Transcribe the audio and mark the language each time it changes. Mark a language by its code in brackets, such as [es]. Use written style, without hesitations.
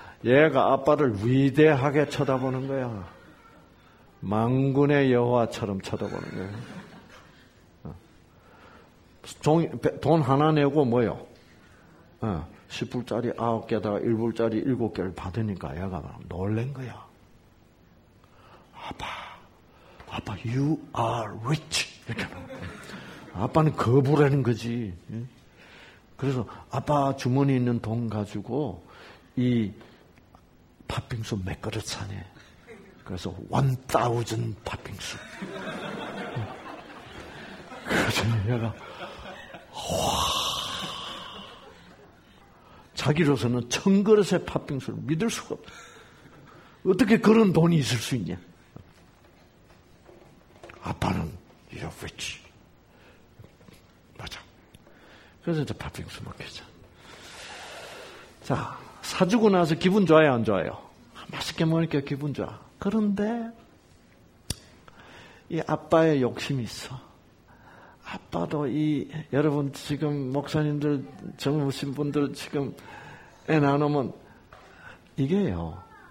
[ko] 얘가 아빠를 위대하게 쳐다보는 거야. 만군의 여호와처럼 쳐다보는 거야. 돈 하나 내고 뭐요? 10불짜리 9개에다가 1불짜리 7개를 받으니까 얘가 놀란 거야. [en] 아빠, you are rich. [ko] 이렇게 아빠는 거부라는 거지. 그래서 아빠 주머니에 있는 돈 가지고 이 팥빙수 몇 그릇 사네. 그래서 1000 팥빙수. 그러더니 얘가 자기로서는 천 그릇의 팥빙수를 믿을 수가 없다. 어떻게 그런 돈이 있을 수 있냐. 아빠는 [en] you're rich. [ko] 맞아. 그래서 이제 팥빙수 먹겠죠. 자, 사주고 나서 기분 좋아요 안 좋아요? 맛있게 먹으니까 기분 좋아. 그런데 이 아빠의 욕심이 있어. 아빠도 이 여러분 지금 목사님들 젊으신 분들 지금 애 낳으면 이게요.